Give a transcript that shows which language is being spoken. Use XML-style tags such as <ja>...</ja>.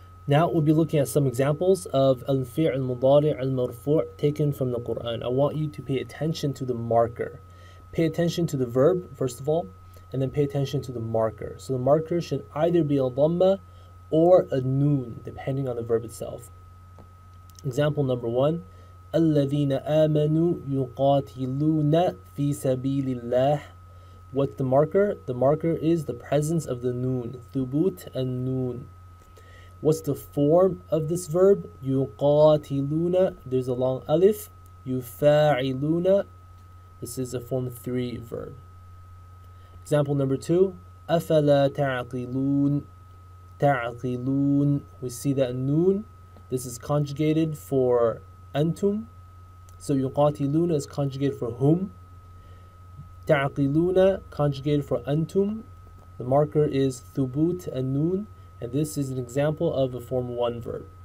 <en>Now we'll be looking at some examples of al-fi' al-mudari' al-marfu' taken from the Qur'an. I want you to pay attention to the marker. Pay attention to the verb, first of all, and then pay attention to the marker. So the marker should either be a dhamma or a noon, depending on the verb itself. Example number one,</en> <ar>الَّذِينَ آمَنُوا يُقَاتِلُونَ فِي سَبِيلِ اللَّهِ.</ar> <en>What's the marker? The marker is the presence of the noon, ثُبُوت النُّون. What's the form of this verb? يُقَاتِلُونَ, there's a long alif, يُفَاعِلُونَ, this is a form 3 verb. Example number 2,</en> <ar>أَفَلَا تَعْقِلُونَ,</ar> <en>تَعْقِلُونَ, we see that noon, this is conjugated for أنتم, so يُقَاتِلُونَ is conjugated for whom, تَعْقِلُونَ conjugated for أنتم, the marker is ثُبُوت النُّون, and this is an example of a form 1 verb.</en>